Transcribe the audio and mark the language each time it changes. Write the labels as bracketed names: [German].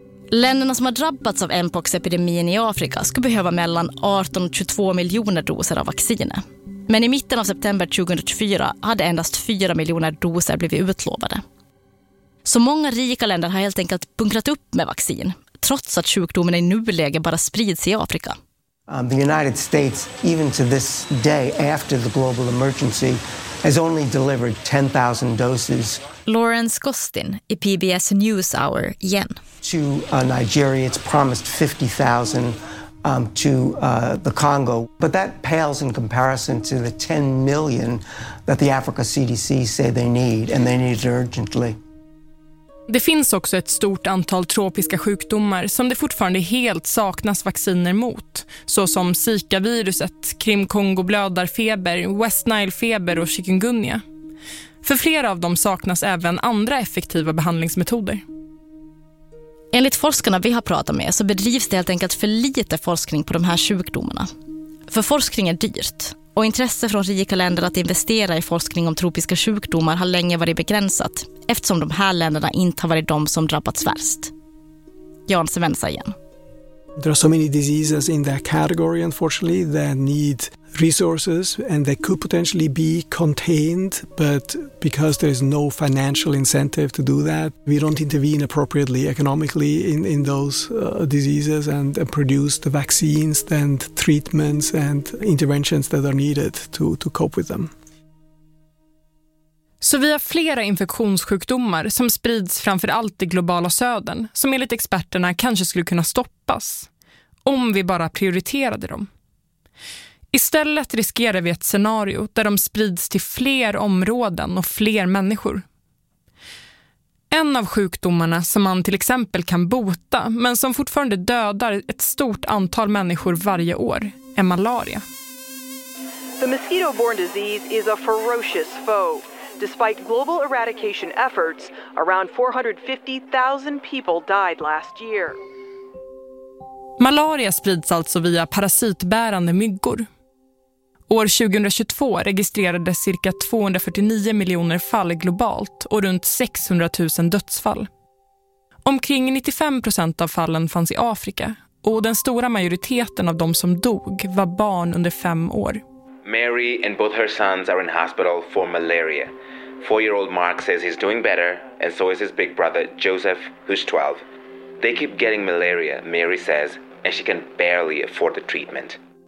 [Swedish] Länderna som har drabbats av mpox-epidemin i Afrika skulle behöva mellan 18 och 22 miljoner doser av vaccinet. Men i mitten av september 2024 hade endast 4 miljoner doser blivit utlovade. Så många rika länder har helt enkelt bunkrat upp med vaccin, trots att sjukdomen i nuläget bara sprids i Afrika. [English] The United States, even to this day after the global emergency, has only delivered 10,000 doses. [Swedish] Lawrence Gostin i PBS News Hour igen. [English] To Nigeria, it's promised 50,000 to the Congo, but that pales in comparison to the 10 million that the Africa CDC say they need, and they need it urgently. [Swedish] Det finns också ett stort antal tropiska sjukdomar som det fortfarande helt saknas vacciner mot, såsom Zika-viruset, Krim-Kongo-blödarfeber, West Nile-feber och chikungunya. För flera av dem saknas även andra effektiva behandlingsmetoder. Enligt forskarna vi har pratat med så bedrivs det helt enkelt för lite forskning på de här sjukdomarna. För forskning är dyrt, och intresse från rika länder att investera i forskning om tropiska sjukdomar har länge varit begränsat, eftersom de här länderna inte har varit de som drabbats värst. Jan Svensa igen. [English] There are so many diseases in that category, unfortunately, that need resources and they could potentially be contained, but because there is no financial incentive to do that, we don't intervene appropriately economically in those diseases and produce the vaccines and treatments and interventions that are needed to cope with them. [Swedish] Så vi har flera infektionssjukdomar som sprids framför allt i globala södern, som enligt experterna kanske skulle kunna stoppas, om vi bara prioriterade dem. Istället riskerar vi ett scenario där de sprids till fler områden och fler människor. En av sjukdomarna som man till exempel kan bota, men som fortfarande dödar ett stort antal människor varje år, är malaria. [English] The mosquito-borne disease is a ferocious foe. Despite global eradication efforts, around 450,000 people died last year. [Swedish] Malaria sprids alltså via parasitbärande myggor. År 2022 registrerades cirka 249 miljoner fall globalt och runt 600 000 dödsfall. Omkring 95% av fallen fanns i Afrika, och den stora majoriteten av de som dog var barn under 5 år. [English] Mary and both her sons are in hospital for malaria. 4-year-old Mark says he's doing better, and so is his big brother Joseph, who's 12. They keep getting malaria, Mary says, and she can barely afford the treatment.